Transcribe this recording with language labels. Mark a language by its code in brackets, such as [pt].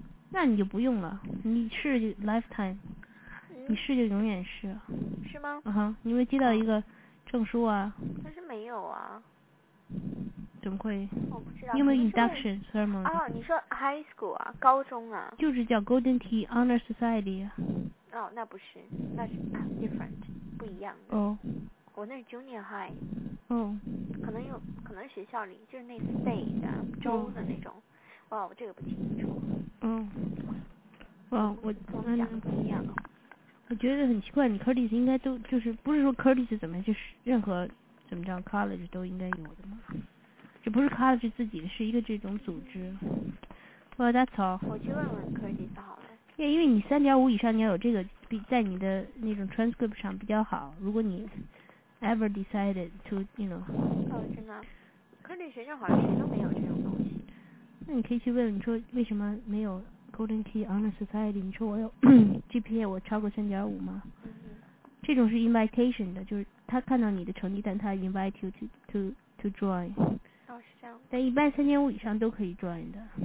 [zh] 那你就不用了，你是 lifetime。你是就永远是，是吗？啊哈，你有没有接到一个证书啊？但是没有啊。怎么会？我不知道。你有没有 [en] induction ceremony？ [zh] 啊，你说 high school 啊，高中啊？就是叫 Golden Tea Honor Society。哦，那不是，那是、different， 不一样的。哦。我那是 junior high。哦。可能学校里就是那 state 的州的那种。哦、哇，我这个不清楚。哦。哇，我们两个不一样。我觉得很奇怪，你 Curtis 应该都就是不是说 Curtis 怎么就是任何怎么着 college 都应该有的嘛，这不是 college 自己的，是一个这种组织。 [en] Well, that's all。 [zh] 我去问问 Curtis 好了。 Yeah, 因为你 3.5 以上，你要有这个，比在你的那种 transcript 上比较好。如果你 [en] ever decided to， you know。 [zh] 哦，真的。 Curtis 学校好像谁都没有这种东西。那你可以去问，你说为什么没有？ Golden Key Honor Society， 你说我有GPA 我超过 3.5 吗？这种是 invitation 的，就是他看到你的成绩单，他 [en] invite you to join。 [zh] 哦，是这样。但一般 3.5 以上都可以 join 的。